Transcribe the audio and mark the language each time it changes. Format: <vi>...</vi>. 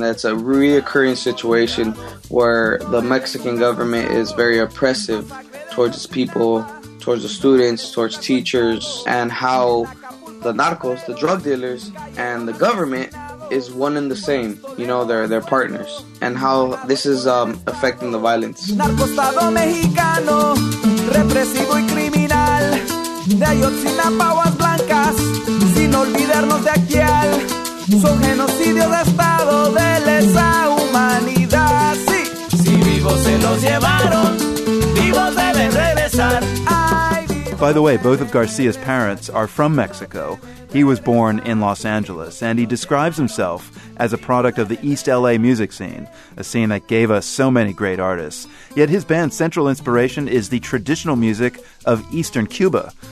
<en>That's a reoccurring situation where the Mexican government is very oppressive towards its people, towards the students, towards teachers, and how the narcos, the drug dealers, and the government is one and the same. You know, they're partners. And how this is affecting the violence.</en> <es>Narcostado mexicano, represivo y criminal, de Ayotzinapa aguas blancas, sin olvidarnos de aquí al, son genocidio de estado de lesa humanidad, sí. Si vivos se los llevaron, vivos deben regresar.</es> <en>By the way, both of Garcia's parents are from Mexico. He was born in Los Angeles, and he describes himself as a product of the East LA music scene, a scene that gave us so many great artists. Yet his band's central inspiration is the traditional music of Eastern Cuba.</en>